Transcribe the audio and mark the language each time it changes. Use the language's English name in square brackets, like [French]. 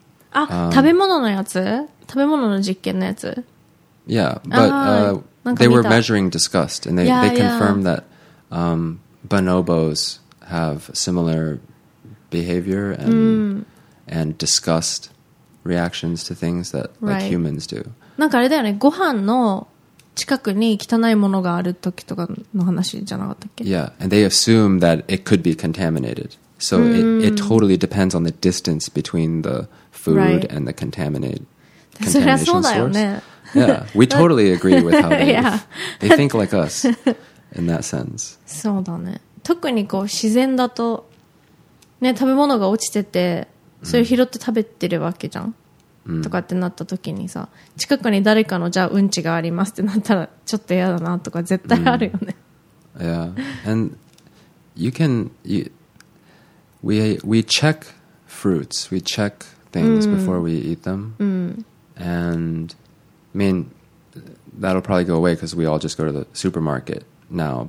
[Japanese] 食べ物のやつ?食べ物の実験のやつ? [English] Yeah, but they were measuring disgust, and they confirmed that bonobos have similar behavior and disgust reactions to things that like humans do. [Japanese] なんかあれだよね、ご飯の近くに汚いものがある時とかの話じゃなかったっけ? [English] Yeah, and they assume that it could be contaminated. So it totally depends on the distance between the food and the contamination source. [Japanese] そりゃそうだよね。 [English] Yeah, we totally agree with how they, they think like us in that sense. [Japanese] そうだね。特にこう自然だと、ね、食べ物が落ちてて、それ拾って食べてるわけじゃん、とかってなった時にさ、近くに誰かのじゃあうんちがありますってなったらちょっと嫌だなとか絶対あるよね。 [English] Yeah, and you can, we check fruits, we check things before we eat them, and... I mean, that'll probably go away because we all just go to the supermarket now.